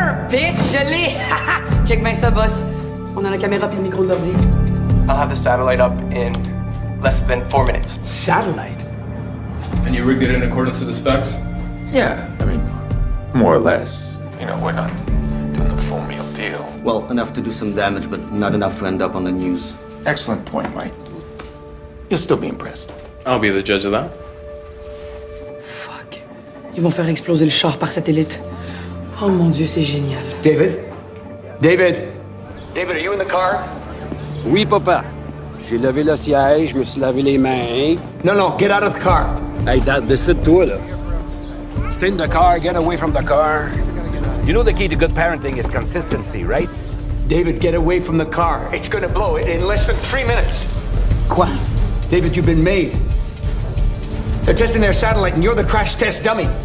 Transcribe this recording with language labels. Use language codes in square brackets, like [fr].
[fr] Bitch, je l'ai! Check bien ça, boss. On a la caméra puis le micro de l'ordi. [en] I'll have the satellite up in less than 4 minutes. Satellite? And you rigged it in accordance to the specs? Yeah, I mean, more or less. You know, we're not doing the full meal deal. Well, enough to do some damage, but not enough to end up on the news. Excellent point, Mike. You'll still be impressed. I'll be the judge of that. Fuck. [fr] Ils vont faire exploser le char par satellite. Oh mon Dieu, c'est génial. [en] David? David? David, are you in the car? [fr] Oui, papa. J'ai levé le siège, je me suis lavé les mains. [en] No, no, get out of the car. Hey, Dad, [fr] décide-toi, là. [en] Stay in the car, get away from the car. You know the key to good parenting is consistency, right? David, get away from the car. It's gonna blow in less than 3 minutes. Quoi? David, you've been made. They're testing their satellite and you're the crash test dummy.